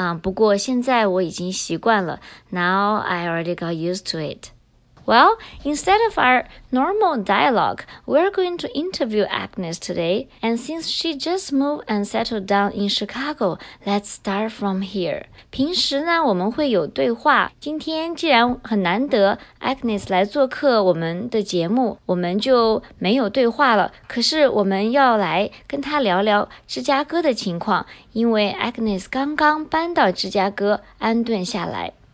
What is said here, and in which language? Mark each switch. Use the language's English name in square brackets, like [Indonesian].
[Chinese] 不过现在我已经习惯了。 [English] Now I already got used to it. Well, instead of our normal dialogue, we're going to interview Agnes today. And since she just moved and settled down in Chicago, let's start from here. [Chinese] 平时呢，我们会有对话。今天既然很难得 Agnes 来做客我们的节目，我们就没有对话了。可是我们要来跟她聊聊芝加哥的情况，因为 Agnes 刚刚搬到芝加哥安顿下来。